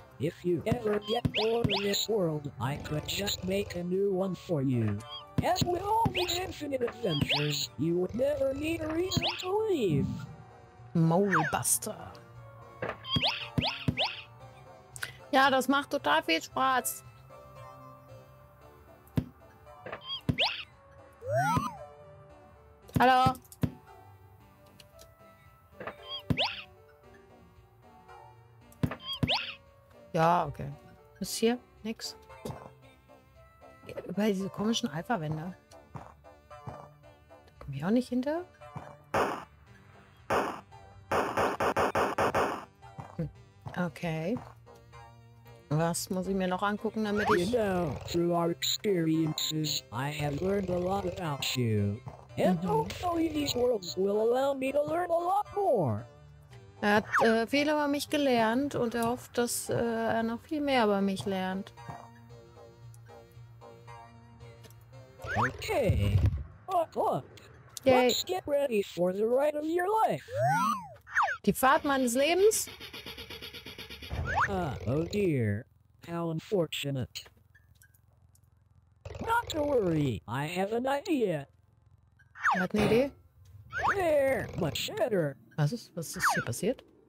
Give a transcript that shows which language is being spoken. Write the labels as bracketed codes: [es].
[en] If you ever get bored in this world, I could just make a new one for you. As with all these infinite adventures, you would never need a reason to leave. Molebuster. [de] Ja, das macht total viel Spaß. Hallo. Ja, okay. Was ist hier? Nix. Über diese komischen Alpha-Wände. Da komme ich auch nicht hinter. Okay. Was muss ich mir noch angucken, damit ich... [en] You know, through our experiences, I have learned a lot about you. And hopefully these worlds will allow me to learn a lot more. [de] Er hat viel über mich gelernt und er hofft, dass er noch viel mehr über mich lernt. Okay. Okay. [en] Let's get ready for the ride of your life. [de] Die Fahrt meines Lebens. [en] Oh dear. How unfortunate. Not to worry. I have an idea. [de] Er hat eine Idee. [en] There, much better. [de] Was ist hier passiert?